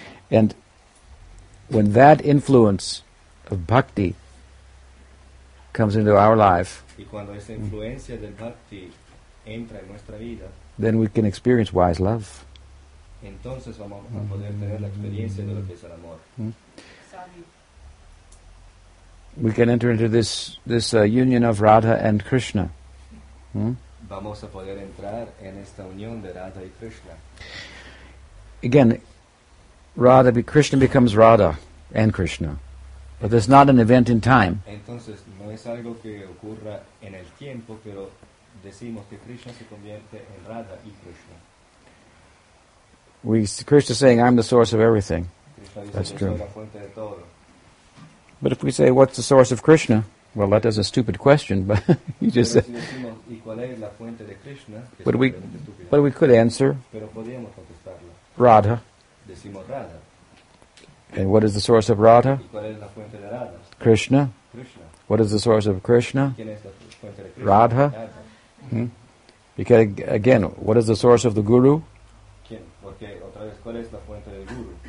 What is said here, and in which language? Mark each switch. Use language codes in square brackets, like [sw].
[en] And when that influence of Bhakti comes into our life, [es] y cuando esa influencia del Bhakti entra en nuestra vida, [en] then we can experience wise love. [es] Entonces vamos a poder tener la experiencia de lo que es el amor. [en] We can enter into this union of Radha and Krishna. [es] Vamos a poder entrar en esta unión de Radha y Krishna. [en] Again, Krishna becomes Radha and Krishna. But there's not an event in time. [es] Entonces, no es algo que ocurra en el tiempo, pero decimos que Krishna se convierte en Radha y Krishna. [en] Krishna is saying, I'm the source of everything. Krishna, that's true. [es] La fuente de todo. [en] But if we say, what's the source of Krishna? Well, that is a stupid question, but you just said. But we could answer. [es] Pero podríamos contestarla. [en] Radha. [es] Decimos Radha. [en] And what is the source of Radha? [es] ¿Y cuál es la fuente de Radha? [en] Krishna. [es] Krishna. [en] What is the source of Krishna? [es] ¿Quién es la fuente de Krishna? [en] Radha. Because again, what is the source of the guru? [es] ¿Quién? Porque otra vez, ¿cuál es la fuente del guru?